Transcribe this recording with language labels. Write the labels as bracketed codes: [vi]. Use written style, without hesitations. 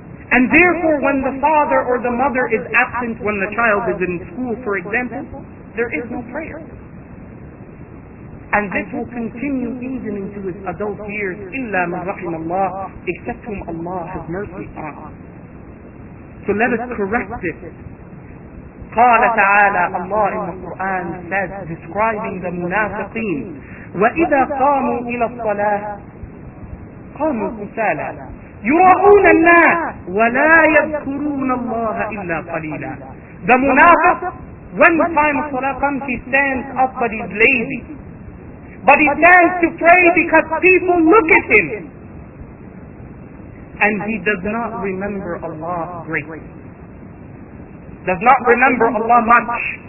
[en] And therefore when the father or the mother is absent when the child is in school, for example, there is no prayer. And this will continue even into his adult years, [ar] إِلَّا مَنْ رَحِمَ اللَّهِ, [en] except whom Allah has mercy on. So let us correct this. [ar] قَالَ تَعَالَى, [en] Allah in the Quran says, describing the munafiqeen, [ar] وَإِذَا قَامُوا إِلَى الصَّلَاةِ قَامُوا كُسَالَى يراؤون الناس ولا يذكرون الله إلا قليلا. [en] The munafiq When the time of Salah comes, he stands up, but he's lazy. But he stands to pray because people look at him. And he does not remember Allah greatly. Does not remember Allah much.